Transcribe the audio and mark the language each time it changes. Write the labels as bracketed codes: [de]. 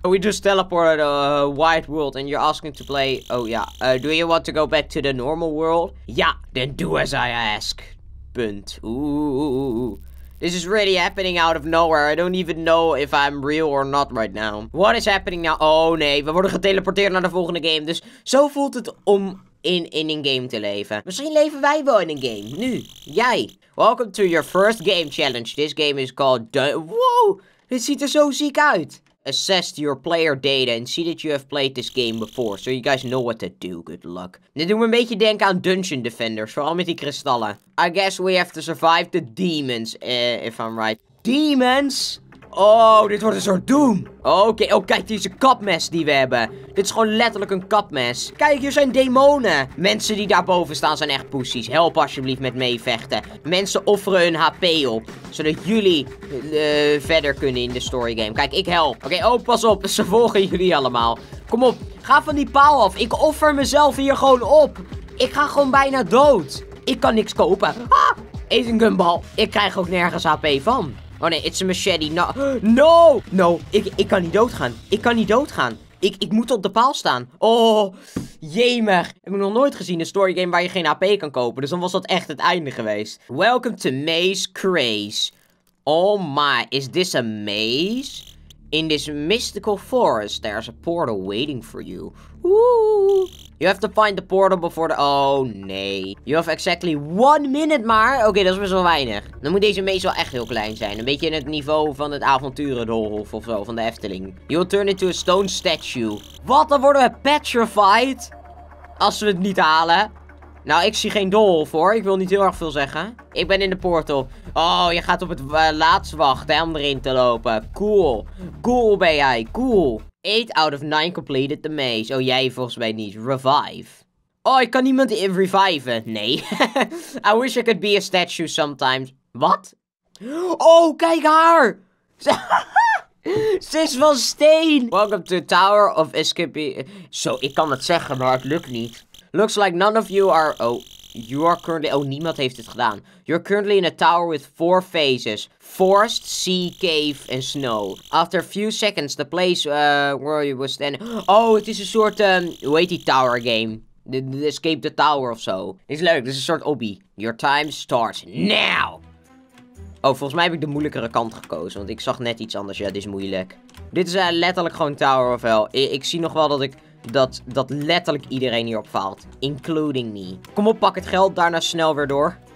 [en] We just teleported a wide world and you're asking to play... Oh, ja. Do you want to go back to the normal world? Ja, then do as I ask. Punt. Ooh. This is really happening out of nowhere. I don't even know if I'm real or not right now. What is happening now? Oh, nee. [nl] We worden geteleporteerd naar de volgende game. Dus zo voelt het om in een game te leven. Misschien leven wij wel in een game. [en] Nu. Jij. Welcome to your first game challenge. This game is called Wow, [nl] het ziet er zo ziek uit. [en] Assess your player data and see that you have played this game before. So you guys know what to do. Good luck. [nl] Dit doet me een beetje denken aan Dungeon Defenders. Vooral met die kristallen. [en] I guess we have to survive the demons, if I'm right. Demons? [nl] Oh, dit wordt een soort doom. Oké, oh kijk, deze kapmes die we hebben. Dit is gewoon letterlijk een kapmes. Kijk, hier zijn demonen. Mensen die daarboven staan zijn echt poesies. Help alsjeblieft met meevechten. Mensen offeren hun HP op. Zodat jullie verder kunnen in de story game. Kijk, ik help. Oké, oh, pas op. Ze volgen jullie allemaal. Kom op, ga van die paal af. Ik offer mezelf hier gewoon op. Ik ga gewoon bijna dood. Ik kan niks kopen. Ah, eet een gumball. Ik krijg ook nergens HP van. Oh nee, [en] it's a machete. No! No! [nl] No, ik kan niet doodgaan. Ik kan niet doodgaan. Ik moet op de paal staan. Oh, jemig. Heb ik nog nooit gezien een story game waar je geen AP kan kopen. Dus dan was dat echt het einde geweest. [en] Welcome to Maze Craze. Oh my, is this a maze? In this mystical forest, there's a portal waiting for you. Woo! You have to find the portal before the... [nl] Oh, nee. [en] You have exactly 1 minute [nl] maar. Oké, dat is best wel weinig. Dan moet deze maze wel echt heel klein zijn. Een beetje in het niveau van het avonturenhof of zo, van de Efteling. [en] You will turn into a stone statue. Wat? [nl] Dan worden we [en] petrified. [nl] Als we het niet halen. Nou, ik zie geen doolhof hoor. Ik wil niet heel erg veel zeggen. Ik ben in de portal. Oh, je gaat op het laatst wachten om erin te lopen. [en] Cool. Cool [nl] ben jij. [en] Cool. 8 out of 9 completed the maze. [nl] Oh, jij volgens mij niet. Revive. Oh, ik kan niemand reviven. Nee. [en] I wish I could be a statue sometimes. [nl] Wat? Oh, kijk haar. Ze is van steen. [en] Welcome to Tower of Escape. [nl] Zo, ik kan het zeggen, maar het lukt niet. [en] Looks like none of you are... [nl] Oh, [en] you are currently... [nl] Oh, niemand heeft het gedaan. [en] You're currently in a tower with 4 phases. Forest, sea, cave and snow. After a few seconds, the place where you were standing... [nl] Oh, het is een soort... hoe heet die tower game? The Escape the Tower of zo. Is leuk, dit is een soort obby. [en] Your time starts now! [nl] Oh, volgens mij heb ik de moeilijkere kant gekozen. Want ik zag net iets anders. Ja, dit is moeilijk. Dit is letterlijk gewoon Tower of Hell. Ik zie nog wel dat ik... Dat letterlijk iedereen hierop faalt. [en] Including me. [nl] Kom op, pak het geld. Daarna snel weer door.